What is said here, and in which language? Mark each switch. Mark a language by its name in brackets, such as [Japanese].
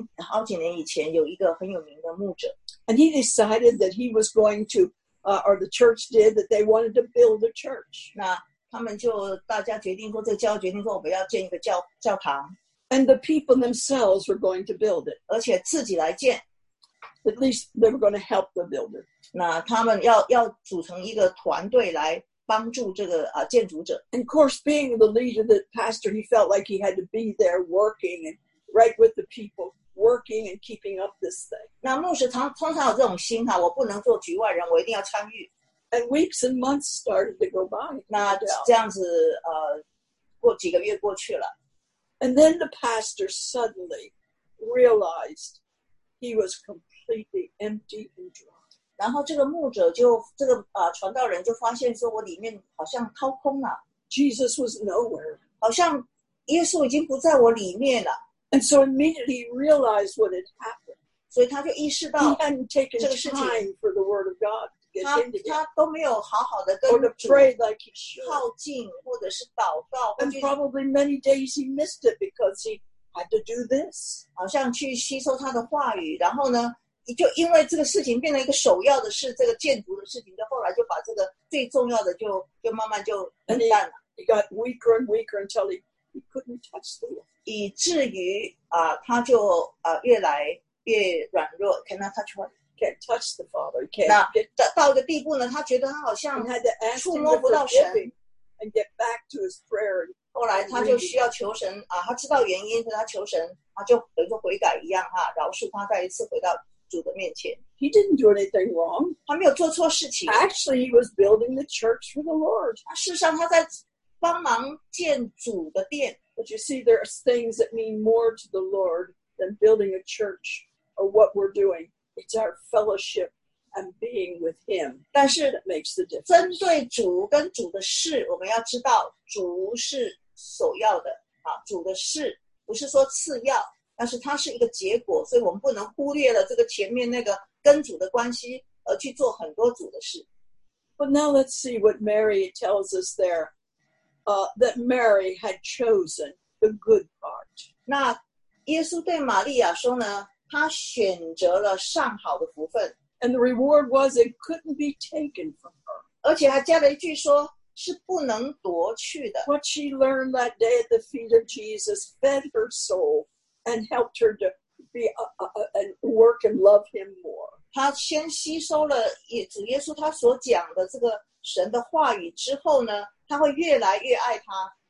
[Chinese] 好几年以前有一个很有名的牧者。 [English] And he decided that he was going to, or the church did, that they wanted to build a church. [Chinese] 那他们就大家决定说，这个教会决定说，我们要建一个教堂。 [English] And the people themselves were going to build it. [Chinese] 而且自己来建。 [English] At least they were going to help the builder. [Chinese] 那他们要组成一个团队来。帮助这个建筑者。 [English] And of course, being the leader, the pastor, he felt like he had to be there working and right with the people, working and keeping up this thing. [Chinese] 那牧师通常有这种心哈，我不能做局外人，我一定要参与。 [English] And weeks and months started to go by. [Chinese] 那这样子过几个月过去了。 [English] And then the pastor suddenly realized he was completely empty and dry. [Chinese] 然后这个牧者就这个传道人就发现说，我里面好像掏空了。 [English] Jesus was nowhere. [Chinese] 好像耶稣已经不在我里面了。 [English] And so immediately realized what had happened. [Chinese] 所以他就意识到这个事情。 [English] He hadn't taken time for the word of God to get into it. [Chinese] 他都没有好好的跟主靠近，或者是祷告。 [English] And probably many days he missed it because he had to do this. [Chinese] 好像去吸收他的话语，然后呢？就因为这个事情变成一个首要的事，这个建筑的事情，就后来就把这个最重要的就慢慢就冷淡了。 [English] He got weaker and weaker until he couldn't touch the Lord. [Chinese] 以至于他就越来越软弱 ， [English] cannot touch one, can't touch the Father. [Chinese] 那到一个地步呢，他觉得他好像触摸不到神。 [English] And get back to his prayer. [Chinese] 后来他就需要求神他知道原因，所以他求神，他就等于说悔改一样哈，饶恕他再一次回到。 [English] He didn't do anything wrong. [Chinese] 他没有做错事情。 [English] Actually, he was building the church for the Lord. [Chinese] 事实上，他在帮忙建主的殿。 [English] But you see, there are things that mean more to the Lord than building a church or what we're doing. It's our fellowship and being with Him. [Chinese] 但是 [English] that makes the difference. [Chinese] 针对主跟主的事，我们要知道主是首要的啊，主的事不是说次要。但是它是一个结果，所以我们不能忽略了这个前面那个跟主的关系，而去做很多主的事。 [English] But now let's see what Mary tells us there, that Mary had chosen the good part. [Chinese] 那耶稣对玛利亚说呢，他选择了上好的福分。 [English] And the reward was it couldn't be taken from her. [Chinese] 而且还加了一句说。是不能夺去的。 [English] What she learned that day at the feet of Jesus fed her soul. and helped her to be and work and love him more. [Chinese] 他先吸收了主耶稣他所讲的这个神的话语之后呢，他会越来越爱他。